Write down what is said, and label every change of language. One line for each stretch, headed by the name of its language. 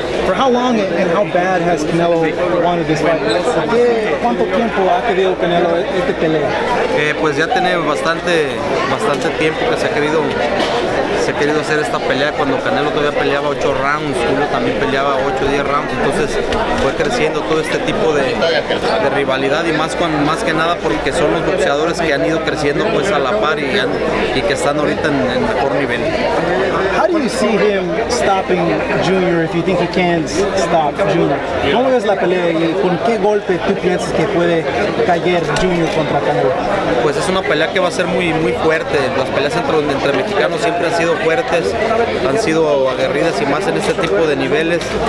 English: For how long and how bad has Canelo wanted this fight?
Spanish: ¿Cuánto tiempo ha querido Canelo este pelea? Pues ya tiene bastante tiempo que se ha querido hacer esta pelea. Cuando Canelo todavía peleaba 8 rounds, uno también peleaba 8 o 10 rounds, entonces fue creciendo todo este tipo de rivalidad y más que nada porque son los boxeadores que han ido creciendo pues a la par y que están ahorita en mejor nivel.
English: How do you see him stopping Junior if you think he can stop Junior?
Spanish: ¿Cómo es la pelea y con qué golpe tú piensas que puede caer Junior contra Canelo? Pues es una pelea que va a ser muy muy fuerte. Las peleas entre mexicanos siempre han sido fuertes, han sido aguerridas y más en este tipo de niveles.